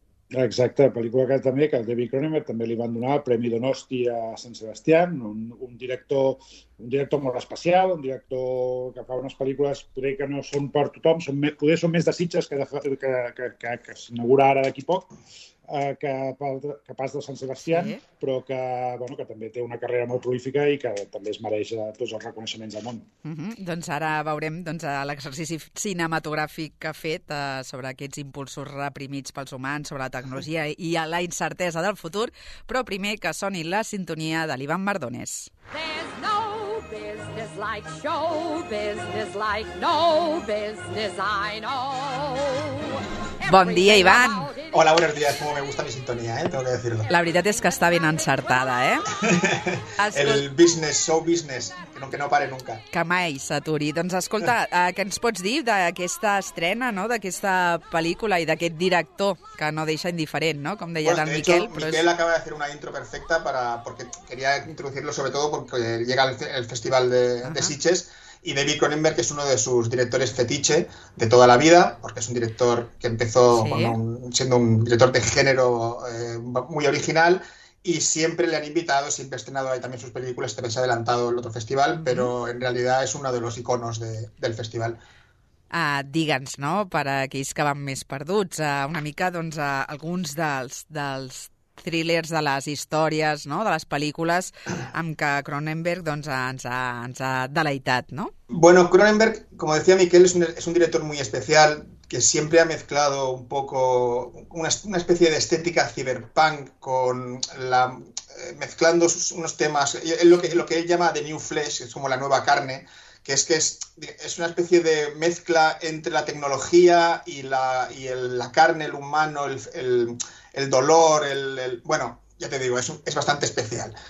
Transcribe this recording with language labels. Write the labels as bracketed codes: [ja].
[ca] Exacte, pel·lícula que també, que el David Cronenberg també li van donar el Premi Donosti a Sant Sebastià, un director molt especial, un director que fa unes pel·lícules crec que no són per tothom, són més de Sitges que s'inaugura ara d'aquí poc, que pas de Sant Sebastià, sí, però que, bueno, que també té una carrera molt prolífica i que també es mereix tots els reconeixements del món. Doncs ara veurem l'exercici cinematogràfic que ha fet sobre aquests impulsos reprimits pels humans, sobre la tecnologia i la incertesa del futur, però primer que soni la sintonia de l'Ivan Mardones. [en] Business like show business like no business I know. [ca] Bon dia, Ivan. [es] Hola, buenos días. Como me gusta mi sintonía, tengo que decirlo. [ca] La veritat és que està ben encertada, eh? [en] El business, show business, [es] que no pare nunca. [ca] Que mai s'aturi. Doncs escolta, què ens pots dir d'aquesta estrena, no?, d'aquesta pel·lícula i d'aquest director, que no deixa indiferent, no?, com deia [es] pues, [ca] el Miquel. [es] Hecho, Miquel acaba de hacer una intro perfecta porque quería introducirlo sobre todo porque llega el Festival de Sitges. Y David Cronenberg, que es uno de sus directores fetiche de toda la vida, porque es un director que empezó siendo un director de género muy original, y siempre le han invitado, siempre ha estrenado ahí también sus películas, también se ha adelantado el otro festival, pero en realidad es uno de los iconos del festival. [ca] Digue'ns, no?, per a aquells que van més perduts, una mica doncs, alguns dels thrillers de les històries, no?, de les pel·lícules amb què Cronenberg doncs, ens ha deleitat, no? [es] Bueno, Cronenberg, como decía Miquel, es un director muy especial que siempre ha mezclado un poco una especie de estética cyberpunk con mezclando unos temas, lo que él llama The New Flesh, es como la nueva carne, que es una especie de mezcla entre la tecnología y la carne, el humano, el dolor, bueno, ya te digo, es bastante especial.